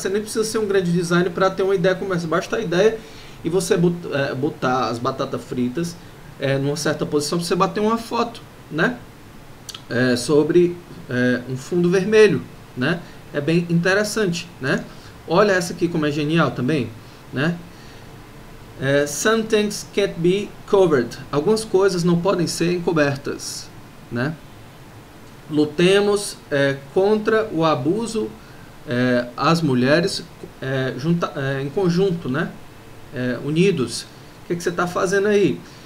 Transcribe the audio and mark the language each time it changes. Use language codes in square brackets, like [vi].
[pt] Você nem precisa ser um grande designer para ter uma ideia como essa. Basta a ideia e você botar as batatas fritas numa certa posição para você bater uma foto, né? Sobre um fundo vermelho, né? É bem interessante, né? Olha essa aqui como é genial também, né? [en] Some things can't be covered. [pt] Algumas coisas não podem ser encobertas, né? Lutemos contra o abuso às mulheres em conjunto, né? Unidos. O que que você está fazendo aí?